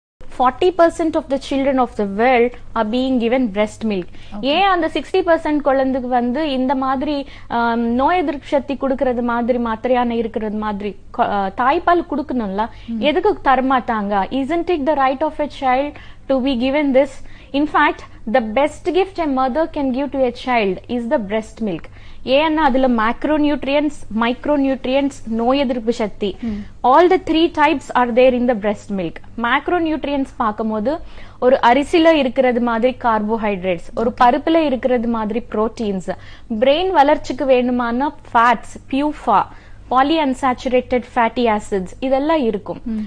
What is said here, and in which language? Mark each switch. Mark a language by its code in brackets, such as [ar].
[en] 40% of the children of the world are being given breast milk. [ta] ஏன் அந்த 60% குழந்தைக்கு வந்து இந்த மாதிரி நோய் எதிர்ப்பு சக்தி கொடுக்கறது மாதிரி மாத்திரையான இருக்கிறது மாதிரி தாய்ப்பால் கொடுக்கணும்ல, எதுக்கு தரமாட்டாங்க? [en] Isn't it the right of a child to be given this? In fact, the best gift a mother can give to a child is the breast milk. [ta] ஏன்னா அதுல மைக்ரோநியூட்ரியன்ஸ், மைக்ரோநியூட்ரியன்ஸ் நோய் எதிர்ப்பு சக்தி, [en] All the three types are there in the breast milk. [ta] Micronutrients பார்க்கும் போது ஒரு அரிசியில இருக்கிறது மாதிரி கார்போஹைட்ரேட்ஸ், ஒரு பருப்புல இருக்கிறது மாதிரி புரோட்டீன்ஸ், பிரெயின் வளர்ச்சிக்கு வேணுமான ஃபேட்ஸ், பியூஃபா, பாலிஅன்சாச்சுரேட்டட் ஃபேட்டி ஆசிட்ஸ், இதெல்லாம் இருக்கும்.